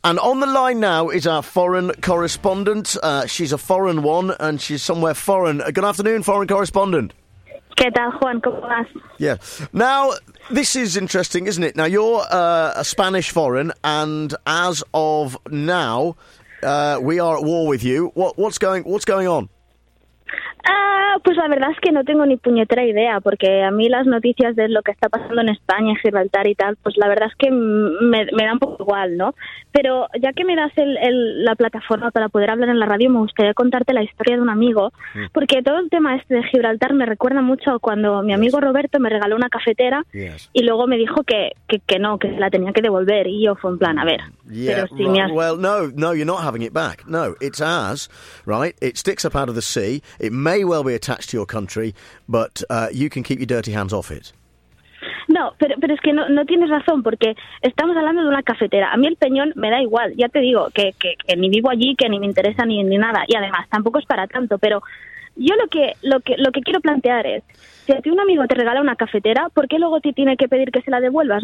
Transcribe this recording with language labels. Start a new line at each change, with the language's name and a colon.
English: And on the line now is our foreign correspondent. She's a foreign one and she's somewhere foreign. Good afternoon, foreign correspondent. Yeah. Now, this is interesting, isn't it? Now, you're a Spanish foreign, and as of now, we are at war with you. What's going on?
Spanish: Pues la verdad es que no tengo ni puñetera idea, porque a mí las noticias de lo que está pasando en España, Gibraltar y tal, pues la verdad es que me da un poco igual, ¿no? Pero ya que me das la plataforma para poder hablar en la radio, me gustaría contarte la historia de un amigo, porque todo el tema este de Gibraltar me recuerda mucho cuando mi amigo Roberto me regaló una cafetera y luego me dijo que no, que la tenía que devolver, y yo fue en plan, a ver.
English: No, you're not having it back. No, it's ours, right? It sticks up out of the sea. It may well be attached to your country, but you can keep your dirty hands off it.
Spanish: No, pero es que no tienes razón, porque estamos hablando de una cafetera. A mí el peñón me da igual, ya te digo, que ni vivo allí, que ni me interesa ni nada. Y además, tampoco es para tanto, pero Yo lo que quiero plantear es, si a ti un amigo te regala una cafetera, ¿por qué luego te tiene que pedir que se la devuelvas?